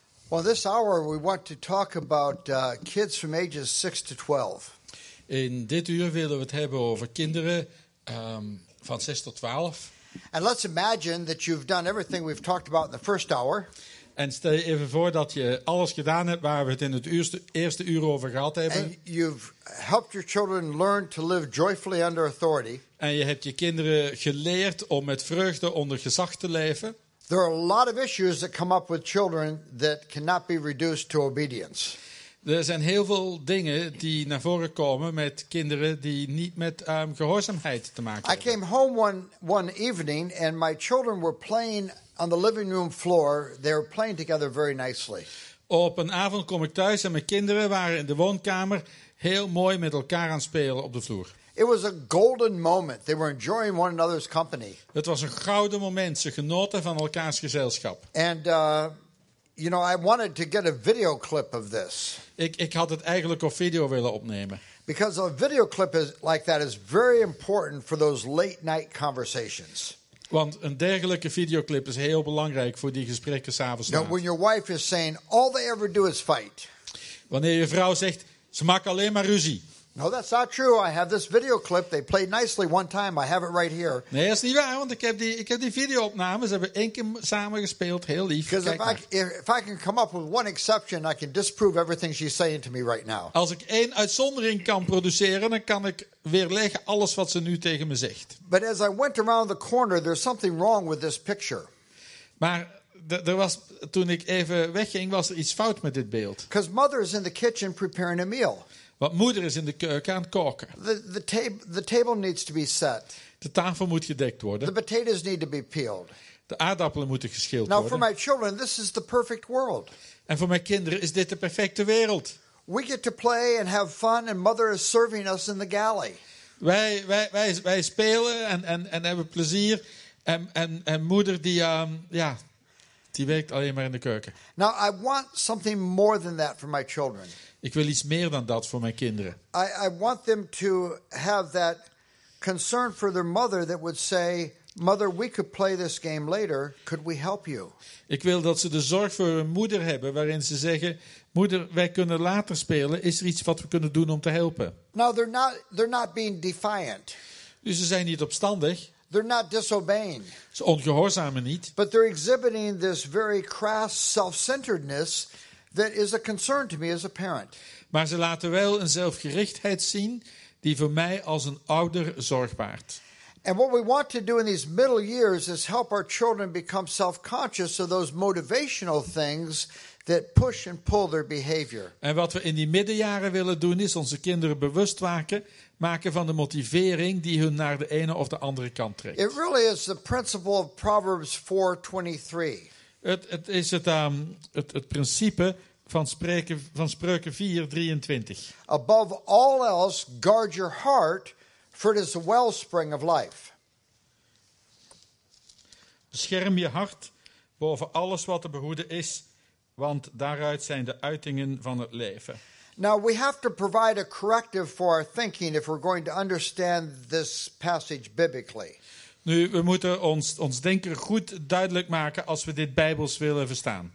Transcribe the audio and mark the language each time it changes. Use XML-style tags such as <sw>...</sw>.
<en>Well, this hour we want to talk about kids from ages 6 to 12.</en> <nl>In dit uur willen we het hebben over kinderen van 6 tot 12.</nl> <en>And let's imagine that you've done everything we've talked about in the first hour.</en> <nl>En stel je even voor dat je alles gedaan hebt waar we het in het eerste uur over gehad hebben.</nl> <en>And you've helped your children learn to live joyfully under authority.</en> <nl>En je hebt je kinderen geleerd om met vreugde onder gezag te leven.</nl> <en>There are a lot of issues that come up with children that cannot be reduced to obedience.</en> <nl>Er zijn heel veel dingen die naar voren komen met kinderen die niet met gehoorzaamheid te maken hebben.</nl> <en>I came home one evening and my children were playing on the living room floor. They were playing together very nicely.</en> <nl>Op een avond kom ik thuis en mijn kinderen waren in de woonkamer heel mooi met elkaar aan het spelen op de vloer.</nl> <en>It was a golden moment. They were enjoying one another's company.</en> <nl>Het was een gouden moment. Ze genoten van elkaars gezelschap.</nl> <en>And you know, I wanted to get a video clip of this.</en> <nl>Ik had het eigenlijk op video willen opnemen.</nl> <en>Because a video clip is like that is very important for those late night conversations.</en> <nl>Want een dergelijke videoclip is heel belangrijk voor die gesprekken 's avonds.</nl> <en>Now, when your wife is saying all they ever do is fight.</en> <nl>Wanneer je vrouw zegt ze maken alleen maar ruzie.</nl> <en>No, that's not true. I have this video clip. They played nicely one time. I have it right here.</en> <nl>Nee, dat is niet waar, want ik heb die videoopnames. Ze hebben één keer samen gespeeld, heel lief.</nl> <en>Because if I can come up with one exception, I can disprove everything she's saying to me right now.</en> <nl>Als ik één uitzondering kan produceren, dan kan ik weerleggen alles wat ze nu tegen me zegt.</nl> <en>But as I went around the corner, there's something wrong with this picture.</en> <nl>Maar er was toen ik even wegging, was er iets fout met dit beeld.</nl> <en>Because mother is in the kitchen preparing a meal.</en> <nl>Want moeder is in de keuken aan het koken.</nl> <en>The table needs to be set.</en> <nl>De tafel moet gedekt worden.</nl> <en>The potatoes need to be peeled.</en> <nl>De aardappelen moeten geschild</nl> <en>Now,</en> <nl>worden.</nl> <en>For my children, this is the perfect world.</en> <nl>En voor mijn kinderen is dit de perfecte wereld.</nl> <en>We get to play and have fun and mother is serving us in the galley.</en> <nl>Wij spelen en hebben plezier en moeder die ja, die werkt alleen maar in de keuken.</nl> <en>Now I want something more than that for my children.</en> <nl>Ik wil iets meer dan dat voor mijn kinderen.</nl> <en>I want them to have that concern for their mother that would say, "Mother, we could play this game later. Could we help you?"</en> <nl>Ik wil dat ze de zorg voor hun moeder hebben, waarin ze zeggen, "Moeder, wij kunnen later spelen. Is er iets wat we kunnen doen om te helpen?"</nl> <en>Now they're not being defiant.</en> <nl>Dus ze zijn niet opstandig.</nl> <en>They're not disobeying.</en> <nl>Ze ongehoorzamen niet.</nl> <en>But they're exhibiting this very crass self-centeredness. That is a concern to me as a parent.</en> <nl>Maar ze laten wel een zelfgerichtheid zien die voor mij als een ouder zorg baart.</nl> <en>And what we want to do in these middle years is help our children become self-conscious of those motivational things that push and pull their behavior.</en> <nl>En wat we in die middenjaren willen doen is onze kinderen bewust maken van de motivering die hun naar de ene of de andere kant trekt.</nl> <en>It really is the principle of Proverbs 4:23.</en> <nl>Het is het principe van spreken van Spreuken 4:23.</nl> <en>Above all else, guard your heart, for it is the wellspring of life.</en> <nl>Bescherm je hart boven alles wat te behoeden is, want daaruit zijn de uitingen van het leven.</nl> <en>Now we have to provide a corrective for our thinking if we're going to understand this passage biblically.</en> <nl>Nu, we moeten ons denken goed duidelijk maken als we dit bijbels willen verstaan.</nl>